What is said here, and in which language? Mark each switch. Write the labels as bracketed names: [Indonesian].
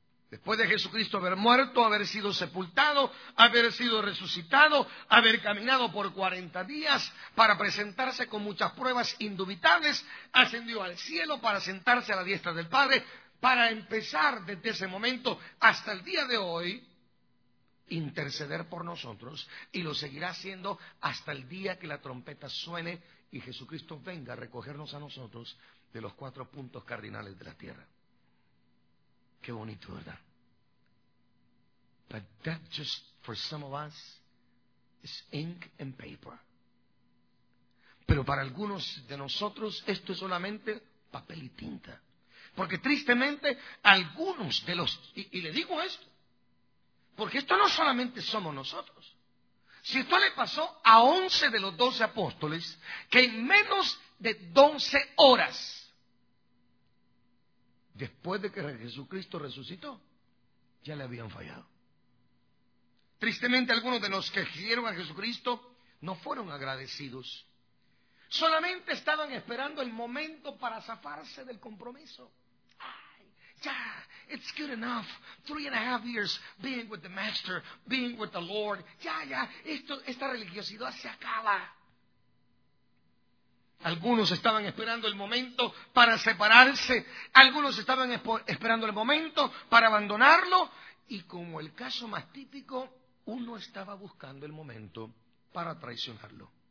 [Spanish] Después de Jesucristo haber muerto, haber sido sepultado, haber sido resucitado, haber caminado por 40 días para presentarse con muchas pruebas indubitables, ascendió al cielo para sentarse a la diestra del Padre, para empezar desde ese momento hasta el día de hoy, interceder por nosotros, y lo seguirá haciendo hasta el día que la trompeta suene y Jesucristo venga a recogernos a nosotros de los cuatro puntos cardinales de la tierra. Qué bonito, ¿verdad? [English] But that just for some of us is ink and paper. [Spanish] Pero para algunos de nosotros esto es solamente papel y tinta. Porque tristemente algunos de los... Y le digo esto. Porque esto no solamente somos nosotros. Si esto le pasó a 11 de los 12 apóstoles que en menos de 12 horas después de que Jesucristo resucitó, ya le habían fallado. Tristemente, algunos de los que siguieron a Jesucristo no fueron agradecidos. Solamente estaban esperando el momento para zafarse del compromiso. [English] Ay, ya, it's good enough. 3.5 years being with the Master, being with the Lord. [Spanish] Ya, esta religiosidad se acaba. Algunos estaban esperando el momento para separarse. Algunos estaban esperando el momento para abandonarlo. Y como el caso más típico, uno estaba buscando el momento para traicionarlo.